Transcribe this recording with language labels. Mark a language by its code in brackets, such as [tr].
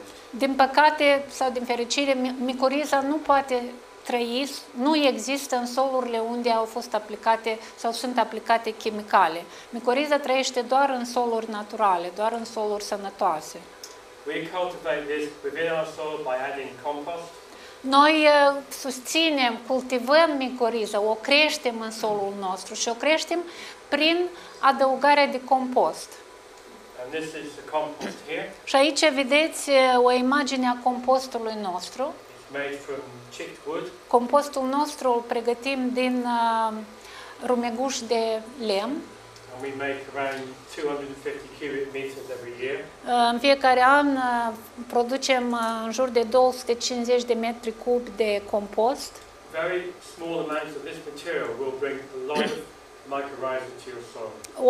[ro] Din păcate sau din fericire, micoriza nu poate trăi, nu există în solurile unde au fost aplicate sau sunt aplicate chimicale. Micoriza trăiește doar în soluri naturale, doar în soluri sănătoase. [en] We cultivate this within our soil by adding compost. [ro] Noi susținem, cultivăm micoriza, o creștem în solul nostru și o creștem prin adăugarea de compost. [en] And this is the compost here. [ro] Și aici vedeți o imagine a compostului nostru. [en] It's made from chipped wood. [ro] Compostul nostru îl pregătim din rumeguș de lemn. [en] And we make around 250 cubic meters every year. [ro] În fiecare an producem în jur de 250 de metri cub de compost. [en] Very small amounts of this material will bring a lot of mycorrhiza to your soil.